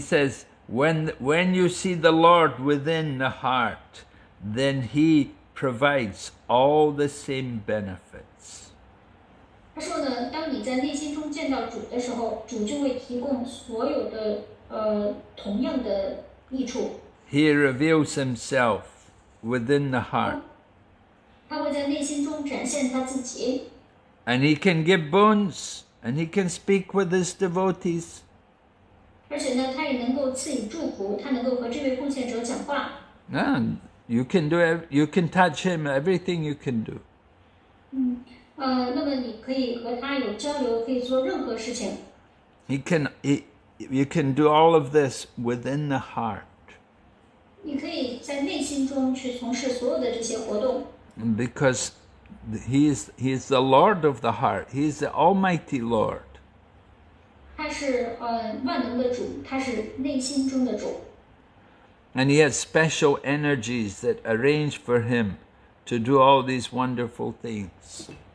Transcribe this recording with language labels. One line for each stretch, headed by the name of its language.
English: says, when you see the Lord within the heart, then He provides all the same benefits.
Chinese: 他说呢,当你在内心中见到主的时候,主就会提供所有的同样的益处。He
English: reveals Himself within the heart.
Chinese: 他会在内心中展现他自己。And
English: He can give boons, and He can speak with His devotees.
Chinese: 而且呢,他也能够赐予祝福,他能够和这位奉献者讲话。And
English: You can touch Him, everything you can do.
Chinese: 那么你可以和他有交流, 可以做任何事情。
English: He can, You can do all of this within the heart. Because he is the Lord of the heart. He is the Almighty Lord. And he has special energies that arrange for him to do all these wonderful things.